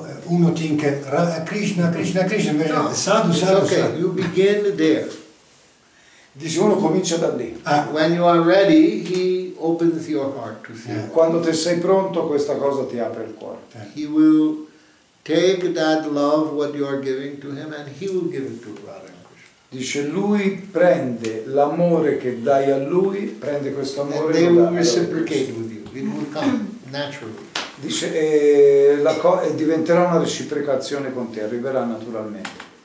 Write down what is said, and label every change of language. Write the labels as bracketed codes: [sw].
[it] Uno [en] think [it] Krishna Krishna Krishna invece no, sadhu [en] it's sadhu okay sadhu. You begin there. [it] Dice uno comincia da lì. [en] When you are ready he opens your heart to see. [it] Quando te sei pronto questa cosa ti apre il cuore. [en] He will take that love, what you are giving to him, and he will give it to Radha Krishna. [it] Dice, lui prende l'amore che dai a lui, prende questo amore [en] and they will reciprocate with you. It will come naturally. [it] Dice, diventerà una reciprocazione con te, arriverà naturalmente.